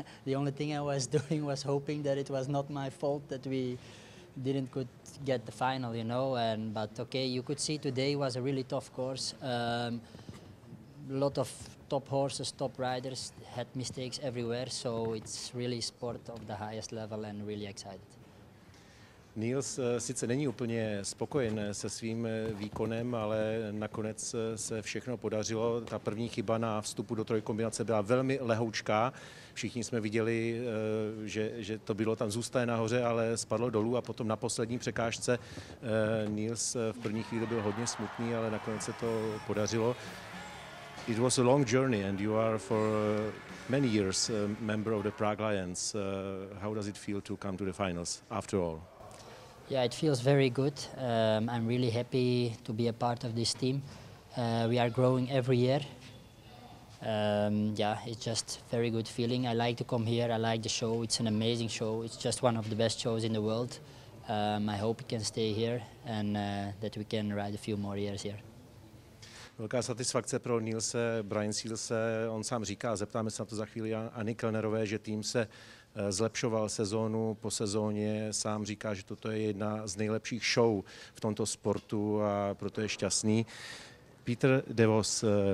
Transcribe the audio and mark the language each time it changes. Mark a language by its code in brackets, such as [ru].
[en] The only thing I was doing was hoping that it was not my fault that we didn't could get the final, you know. But okay, you could see today was a really tough course. Lot of top horses, top riders had mistakes everywhere. So it's really sport of the highest level and really excited. [cs] Niels sice není úplně spokojen se svým výkonem, ale nakonec se všechno podařilo. Ta první chyba na vstupu do trojkombinace byla velmi lehoučká. Všichni jsme viděli, že to bylo tam zůstane nahoře, ale spadlo dolů a potom na poslední překážce Niels v první chvíli byl hodně smutný, ale nakonec se to podařilo. [en] It was a long journey and you are for many years a member of the Prague Lions. How does it feel to come to the finals after all? Yeah, it feels very good. I'm really happy to be a part of this team. We are growing every year. Yeah, it's just very good feeling. I like to come here. I like the show. It's an amazing show. It's just one of the best shows in the world. I hope we can stay here and that we can ride a few more years here. [cs] Velká satisfakce pro Nielse Breinseelse. On sám říká, zeptáme se na to za chvíli Anny Kellnerové, že tým se zlepšoval sezónu po sezóně. Sám říká, že toto je jedna z nejlepších show v tomto sportu a proto je šťastný. Peter Devos,